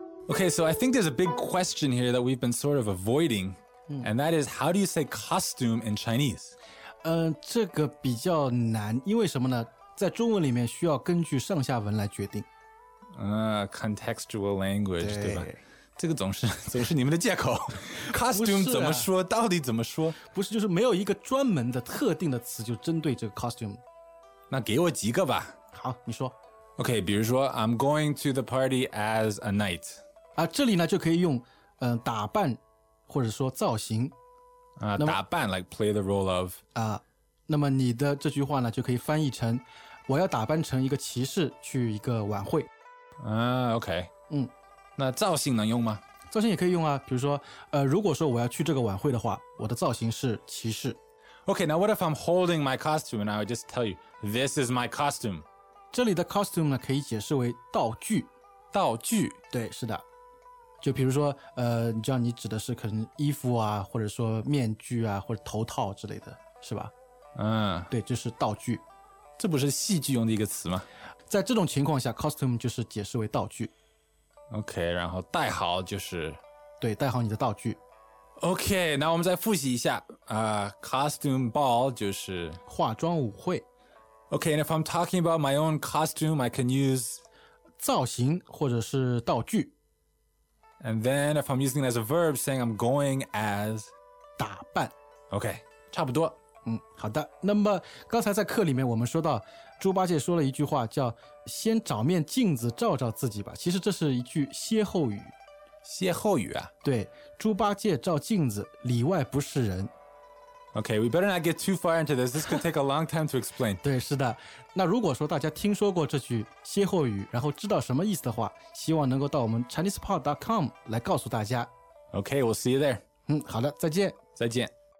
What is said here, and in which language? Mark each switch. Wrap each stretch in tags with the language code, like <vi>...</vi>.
<en>Okay, so I think there's a big question here that we've been sort of avoiding, and that is, how do you say costume in Chinese?</en> <zh>这个比较难，因为什么呢？在中文里面需要根据上下文来决定。 Contextual language, 对吧？这个总是你们的借口。</zh> <en>costume</en> <zh>怎么说？到底怎么说？不是，就是没有一个专门的特定的词就针对这个 costume。那给我几个吧。好，你说。</zh> <en>Okay, 比如说 I'm going to the party as a knight.</en> <zh>啊，这里呢就可以用，打扮或者说造型，</zh> <en>打扮 like play the role of</en> <zh>啊，那么你的这句话呢就可以翻译成，我要打扮成一个骑士去一个晚会，啊 ，OK，嗯，那造型能用吗？造型也可以用啊，比如说，如果说我要去这个晚会的话，我的造型是骑士。</zh> <en>OK， now what if I'm holding my costume and I would just tell you this is my costume？</en> <zh>这里的 costume 呢可以解释为道具，道具，对，是的。就比如说你知道你指的是可能衣服啊或者说面具啊或者头套之类的是吧，嗯，对，就是道具。这不是戏剧用的一个词吗？在这种情况下 costume 就是解释为道具。 OK， 然后代号就是，对，代号你的道具。 OK， 那我们再复习一下costume ball 就是化妆舞会。</zh> <en>OK， and if I'm talking about my own costume I can use</en> <zh>造型或者是道具。</zh> <en>And then if I'm using it as a verb, saying I'm going as...</en> <zh>打扮。 OK, 差不多。好的。那么刚才在课里面我们说到猪八戒说了一句话叫先找面镜子照照自己吧，其实这是一句歇后语。歇后语啊？对，猪八戒照镜子里外不是人。</zh> <en>Okay, we better not get too far into this. This could take a long time to explain.</en> <zh>对，是的。那如果说大家听说过这句歇后语，然后知道什么意思的话，希望能够到我们 ChinesePod.com 来告诉大家。</zh> <en>Okay, we'll see you there.</en> <zh>好的，再见。再见。</zh>